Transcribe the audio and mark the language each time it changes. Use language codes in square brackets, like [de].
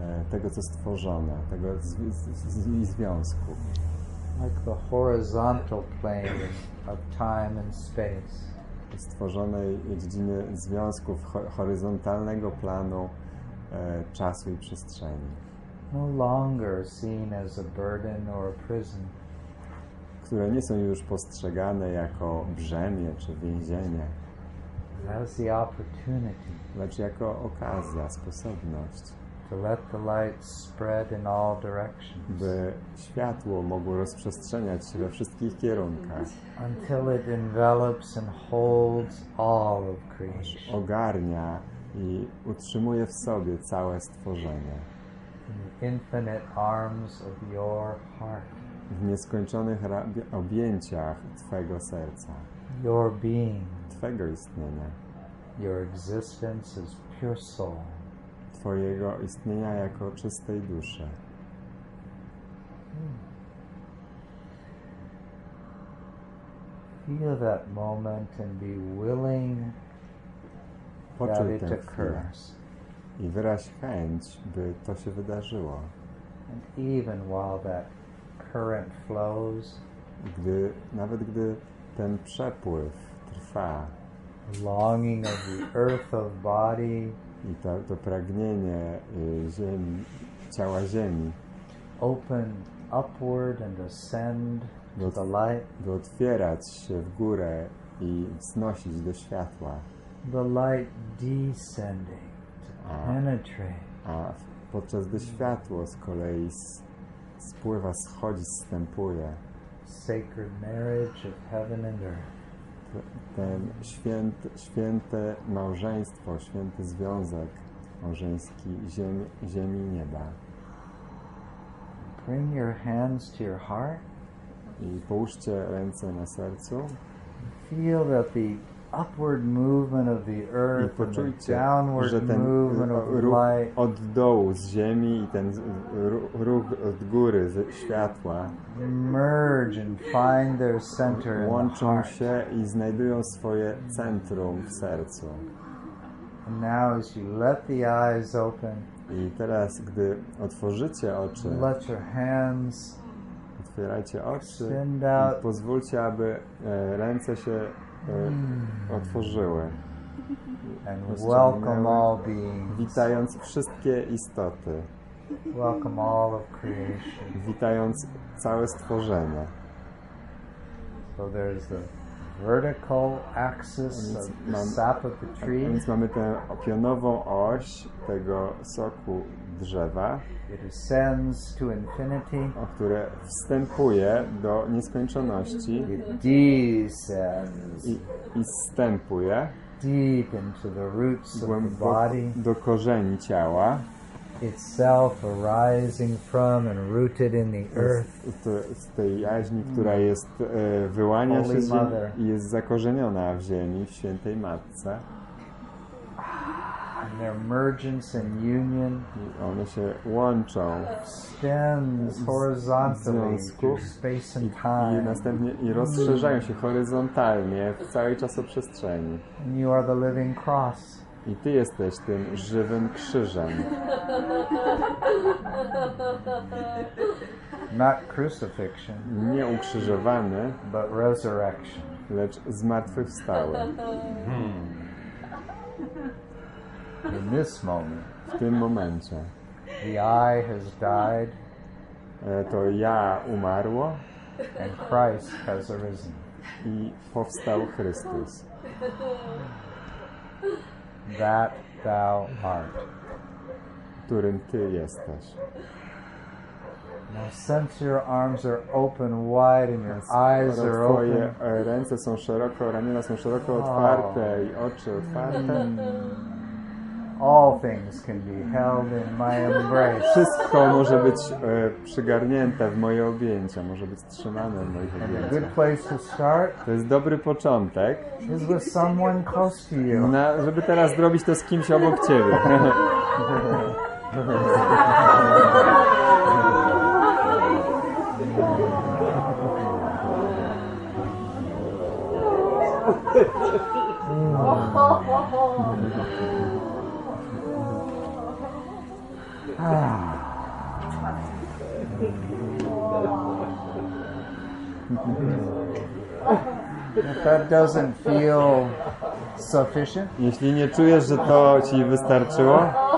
[pl] Tego, co stworzone, tego związku. [en] Like the horizontal plane of time and space. [pl] Stworzonej dziedziny związków horyzontalnego planu czasu i przestrzeni. [en] No longer seen as a burden or a prison. [pl] Które nie są już postrzegane jako brzemię czy więzienie. [en] As the opportunity. [pl] Lecz jako okazja, sposobność. [en] To let the light spread in all directions. [pl] By światło mogło rozprzestrzeniać się we wszystkich kierunkach. [en] Until it envelops and holds all of creation. [pl] Ogarnia i utrzymuje w sobie całe stworzenie. [en] In the infinite arms of your heart. [pl] W nieskończonych objęciach Twojego serca. [en] Your being. [pl] Twojego istnienia. [en] Your existence is pure soul. [pl] Twojego istnienia jako czystej duszy. [en] Feel that moment and be willing that it occurs. [pl] I wyraź chęć, by to się wydarzyło. [en] And even while that current flows, [pl] gdy, nawet gdy ten przepływ trwa, [en] longing of the earth of body. [pl] I to pragnienie ziemi, ciała ziemi. [en] Open upward and ascend to the light. [pl] By otwierać się w górę i wznosić do światła. [en] The light descending to penetrate. [pl] A podczas gdy światło z kolei spływa, schodzi, zstępuje. [en] Sacred marriage of heaven and earth. [pl] Ten święte małżeństwo, święty związek małżeński ziemi i nieba. [en] Bring your hands to your heart. [pl] I połóżcie ręce na sercu. [en] Feel that the upward movement of the earth, [pl] poczujcie, [en] and the downward movement of light. [pl] Od dołu z ziemi i ten ruch od góry ze światła. [en] Merge and find their center in the heart. [pl] Łączą się i znajdują swoje centrum w sercu. [en] And now as you let the eyes open. [pl] I teraz gdy otworzycie oczy. [en] Let your hands. [pl] Otwierajcie oczy i pozwólcie, aby ręce się otworzyły. [en] And welcome all beings. [pl] Witając wszystkie istoty. [en] Welcome all of creation. [pl] Witając całe stworzenie. [en] So there's the vertical axis of the sap of the tree. [pl] Więc mamy tę pionową oś tego soku drzewa. [en] It ascends to infinity. [pl] O które wstępuje do nieskończoności. [en] It descends. [pl] I wstępuje. [en] Deep into the roots of the body. [pl] Do korzeni ciała. [en] Itself arising from and rooted in the earth. [pl] Z tej jaźni, która jest wyłania [en] Holy [pl] się [en] Mother. [pl] I jest zakorzeniona w ziemi, w świętej matce. [en] And their emergence and union. [pl] One się łączą. [en] Extends horizontally through space and time. [pl] I następnie i rozszerzają się horyzontalnie w całej czasoprzestrzeni. [en] And you are the living cross. [pl] I ty jesteś tym żywym krzyżem. [en] Not crucifixion. [pl] Nie ukrzyżowany. [en] But resurrection. [pl] Lecz zmartwychwstały. [en] In this moment, [pl] w tym momencie, [en] the I has died. [pl] To ja umarło. [en] And Christ has arisen. [pl] I powstał Chrystus. [en] That thou art. [pl] Którym ty jesteś. [en] Now since your arms are open wide and your eyes are [pl] twoje [en] open. [pl] Ręce są szeroko, ramiona są szeroko otwarte i oczy otwarte. [en] All things can be held in my embrace. [pl] Wszystko może być przygarnięte w moje objęcia, może być trzymane w moich objęciach. [en] And a good place to start. [pl] To jest dobry początek. [en] Is with someone close to you. [pl] Na, żeby teraz zrobić to z kimś obok ciebie. [en] If that doesn't feel sufficient, [pl] jeśli nie czujesz, że to ci wystarczyło,